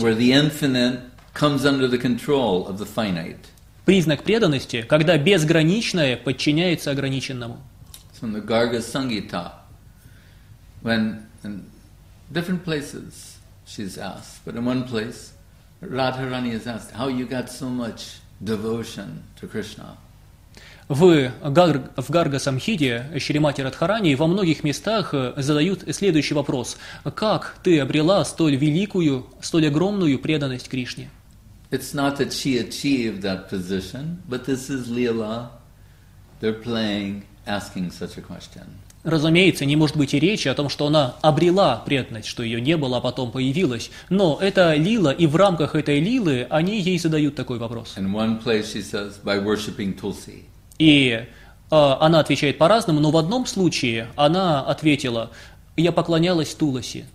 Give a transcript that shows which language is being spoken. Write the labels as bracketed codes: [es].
[en] Where the infinite comes under the control of the finite. [ru] Признак преданности, когда безграничное подчиняется ограниченному. [en] So in the Garga Sangita, when in different places she's asked, but in one place Radharani is asked, how you got so much devotion to Krishna. [ru] В Гарга Самхиде Шримати Радхарани во многих местах задают следующий вопрос: как ты обрела столь великую, столь огромную преданность Кришне? [en] It's not that she achieved that position, but this is Leela. They're playing, asking such a question. [ru] Разумеется, не может быть и речи о том, что она обрела преданность, что ее не было, а потом появилась. Но это лила, и в рамках этой лилы они ей задают такой вопрос. [en] In one place she says, by worshiping Tulsi. [ru] И она отвечает по-разному, но в одном случае она ответила: «Я поклонялась Туласи».